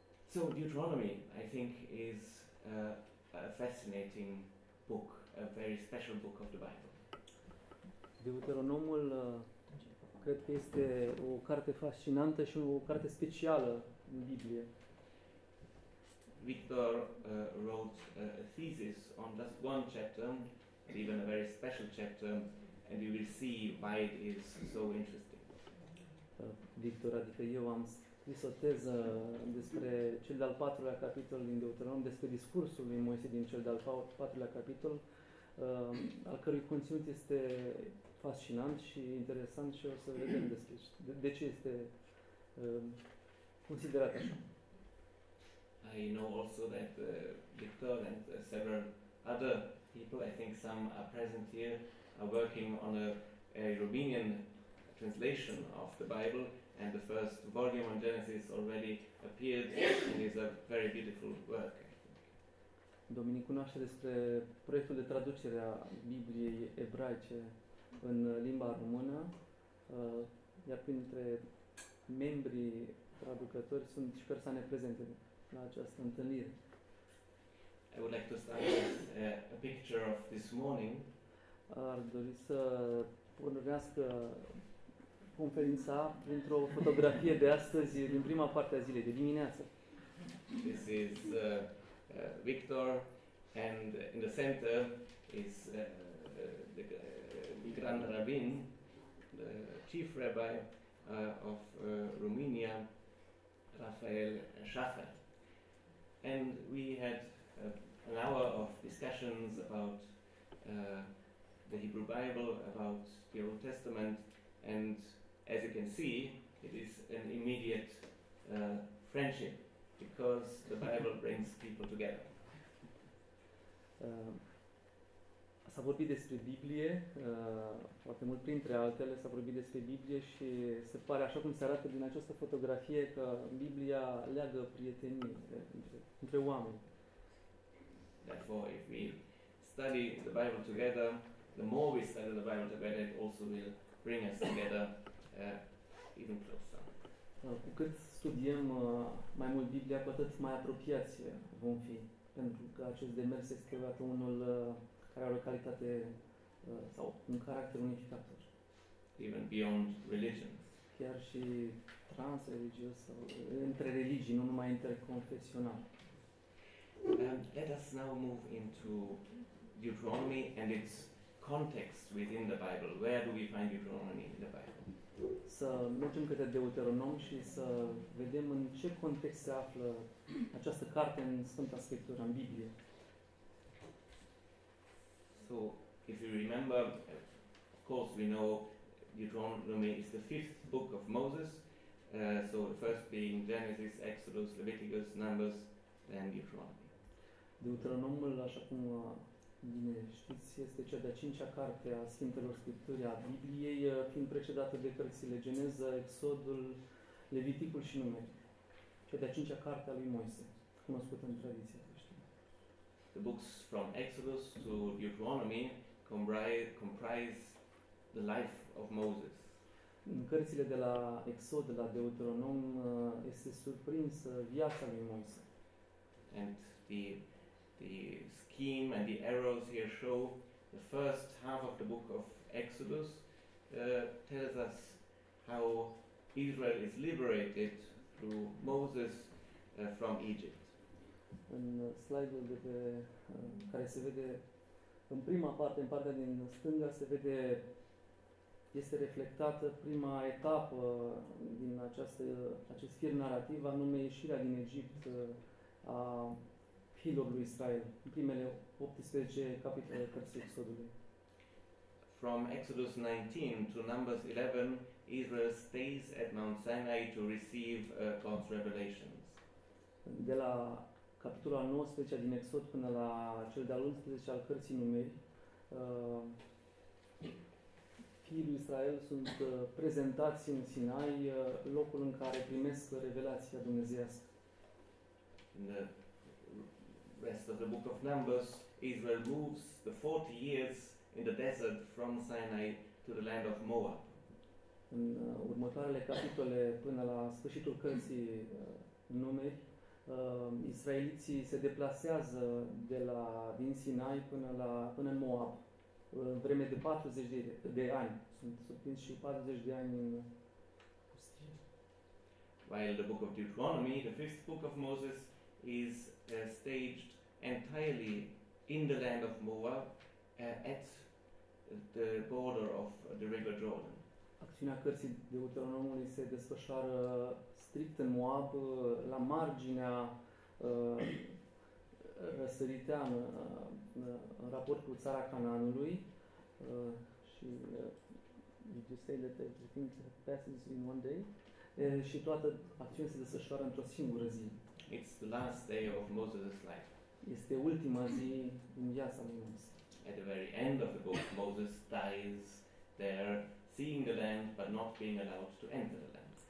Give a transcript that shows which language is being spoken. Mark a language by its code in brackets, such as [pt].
[en] So Deuteronomy, I think, is a fascinating book, a very special book of the Bible. [ro] Deuteronomul cred că este o carte fascinantă și o carte specială în Biblie. [en] Victor wrote a thesis on just one chapter, even a very special chapter, and you will see why it is so interesting. [ro] Victor, adică eu am scris o teză despre cel de-al patrulea capitol din Deuteronom, despre discursul lui Moise din cel de-al patrulea capitol, al cărui conținut este fascinant și interesant și o să vedem despre de ce este considerat așa. [en] I know also that Victor and several other people, I think some are present here, are working on a Romanian translation of the Bible, and the first volume on Genesis already appeared, and is a very beautiful work, I think. [ro] Dominic cunoaște despre proiectul de traducere a Bibliei ebraice în limba română, iar printre membrii traducători sunt și persoane prezente la această întâlnire. [en] I would like to start with a picture of this morning. [ro] Ar dori să pornească conferința printr-o fotografie de astăzi, din prima parte a zilei, de dimineață. [en] This is Victor, and in the center is the Grand Rabbin, the Chief Rabbi of Romania, Rafael Schaffer. And we had an hour of discussions about the Hebrew Bible, about the Old Testament, and as you can see, it is an immediate friendship, because the Bible brings people together. [ro] S-a vorbit despre Biblie, foarte mult printre altele s-a vorbit despre Biblie și se pare, așa cum se arată din această fotografie, că Biblia leagă prietenii între oameni. [en] Therefore, if we study the Bible together, the more we study the Bible together, it also will bring us together even closer. [ro] Cu cât studiem mai mult Biblia, cu atât mai apropiați vom fi, pentru că acest demers este creat unul care are o calitate sau un caracter unificator. [en] Even beyond religion. [ro] Chiar și transreligios sau între religii, nu numai interconfesional. [en] Let us now move into Deuteronomy and its context within the Bible. Where do we find Deuteronomy in the Bible? [ro] Să mergem către Deuteronom și să vedem în ce context se află această carte în Sfânta Scriptură, în Biblie. [en] So, if you remember, of course we know Deuteronomy is the fifth book of Moses. So, the first being Genesis, Exodus, Leviticus, Numbers, then Deuteronomy. [ro] Deuteronomul, așa cum bine știți, este cea de-a cincea carte a Sfintelor Scripturii, a Bibliei, fiind precedată de cărțile Geneza, Exodul, Leviticul și Numeri. Cea de-a cincea carte a lui Moise, cunoscută în tradiție. [en] The books from Exodus to Deuteronomy comprise the life of Moses. [ro] În cărțile de la Exod, la Deuteronom, este surprinsă viața lui Moise. [en] And the scheme and the arrows here show the first half of the book of Exodus tells us how Israel is liberated through Moses from Egypt. [ro] În slide-ul de pe care se vede în prima parte, în partea din stânga, se vede, este reflectată prima etapă din acest fir narrativ, anume ieșirea din Egipt a fiilor Israel, în primele 18 capitole cărții Exodului. [en] From Exodus 19 to Numbers 11, Israel stays at Mount Sinai to receive God's revelations. [ro] De la capitolul 19 din Exod până la cel de-al 11 al cărții Numeri, fiii lui Israel sunt prezentați în Sinai, locul în care primesc revelația dumnezeiască. [en] In the rest of the book of Numbers, Israel moves the 40 years in the desert from Sinai to the land of Moab. [ro] În următoarele capitole până la sfârșitul cărții Numeri, israeliții se deplasează din Sinai până în Moab, vreme de 40 de ani. Sunt surprins și 40 de ani în pustie. [en] While the book of Deuteronomy, the fifth book of Moses, is staged entirely in the land of Moab, at the border of the River Jordan. [ro] Acțiunea cărții Deuteronomului se desfășoară strict în Moab, la marginea răsăriteană, în raport cu țara Canaanului. Și [en] did you say that everything passes in one day? [ro] Și toată acțiunea se desfășoară într-o singură zi. [en] It's the last day of Moses' life. [ro] Este ultima zi din viața lui Moise. [en] At the very end of the book, Moses dies there, seeing the land, but not being allowed to enter the land.